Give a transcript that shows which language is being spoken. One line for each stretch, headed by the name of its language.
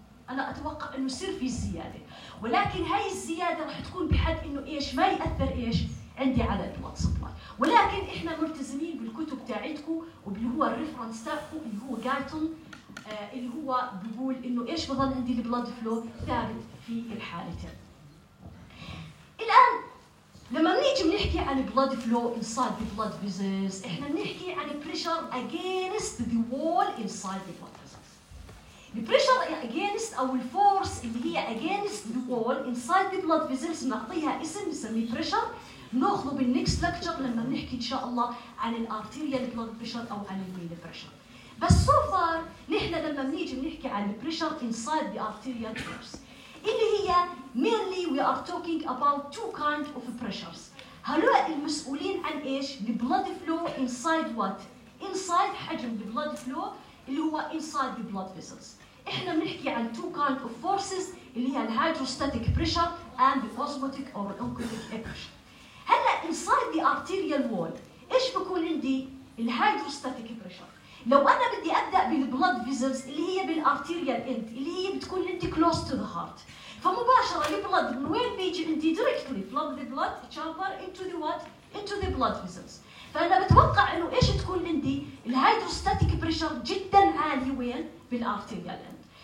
Arabic: انا اتوقع انه يصير في زياده، ولكن هاي الزياده راح تكون بحد انه ايش ما ياثر ايش عندي على البلد سبلاي. ولكن احنا ملتزمين بالكتب تاعتكم وباللي هو الريفرنس تاعكم اللي هو جايتون اللي هو بيقول انه ايش بضل عندي البلد فلو ثابت في الحالتين.
English: الان لما نيجي بنحكي عن blood flow inside the blood vessels احنا بنحكي عن pressure against the wall inside the blood vessels.
Arabic: The pressure against او الforce اللي هي against the wall inside the blood vessels بنعطيها اسم نسميه pressure، بناخذه بالnext lecture لما بنحكي ان شاء الله عن arterial blood pressure او عن vein pressure.
English: بس so far نحن لما بنيجي بنحكي عن pressure inside the arterial force اللي هي mainly we are talking about two kind of pressures. هلوق المسؤولين عن إيش؟ the blood flow inside what? inside حجم the blood flow اللي هو inside the blood vessels. إحنا بنحكي عن two kind of forces اللي هي the hydrostatic pressure and the osmotic or oncotic pressure. هلا inside the arterial wall إيش بكون عندي؟ the hydrostatic pressure.
Arabic: لو أنا بدي أبدأ بالblood vessels اللي هي بالarterial end اللي هي بتكون عندي close to the heart، فمباشرة البلد من وين بيجي عندي؟ directly from the blood chamber into the what?
English: into the blood vessels.
Arabic: فأنا بتوقع إنه إيش تكون عندي الhydrostatic pressure جدا عالي وين؟ بالarterial end.